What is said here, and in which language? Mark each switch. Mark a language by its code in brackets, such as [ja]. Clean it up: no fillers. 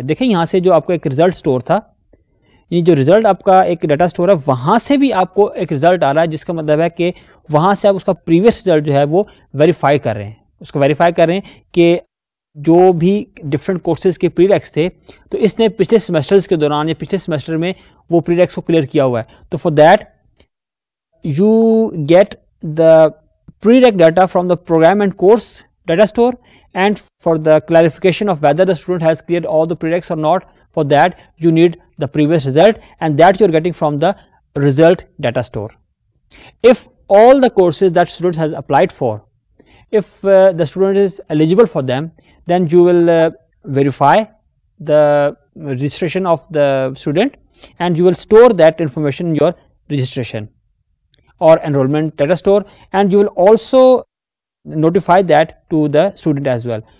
[ur] دیکھیں یہاں سے جو آپ کا ایک رزلٹ اسٹور تھا, یعنی جو رزلٹ آپ کا ایک ڈیٹا اسٹور ہے, وہاں سے بھی آپ کو ایک رزلٹ آ رہا ہے, جس کا مطلب ہے کہ وہاں سے آپ اس کا پریویس رزلٹ جو ہے وہ ویریفائی کر رہے ہیں, اس کو ویریفائی کر رہے ہیں کہ جو بھی ڈفرینٹ کورسز کے پری ریکس تھے تو اس نے پچھلے سیمسٹرز کے دوران یا پچھلے سیمسٹر میں وہ پری ریکس کو کلیئر کیا ہوا ہے. [en] تو for that you get the prereq data from the program and course data store, and for the clarification of whether the student has clear all the prereqs or not, for that you need the previous result and that you are getting from the result data store. If all the courses that student has applied for, if the student is eligible for them, then you will verify the registration of the student and you will store that information in your registration or enrollment data store, and you will also notify that to the student as well.